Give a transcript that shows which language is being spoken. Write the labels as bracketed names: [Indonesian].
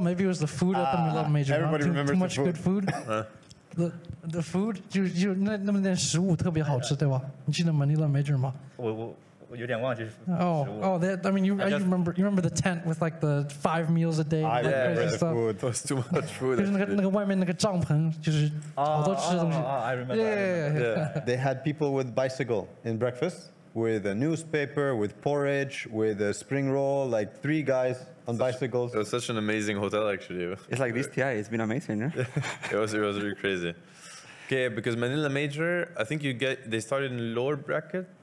[English] Maybe it was the food at the Manila Major. Everybody remembers too much the food. Good food. the food, you [Chinese] 那那那食物特别好吃，对吧？你记得 Manila Major 吗？我有点忘记食物。 [English] Oh, that, I mean, you remember the tent with like the 5 meals a day. Food. It was too much food. [Chinese] 就是那个外面那个帐篷，就是好多吃的东西。 [English] I remember. Yeah. They had people with bicycle in breakfast, with a newspaper, with porridge, with a spring roll, like three guys on bicycles. It was such an amazing hotel, actually. It's like this TI, it's been amazing, right? It was really crazy. Okay, because Manila Major, I think they started in lower bracket.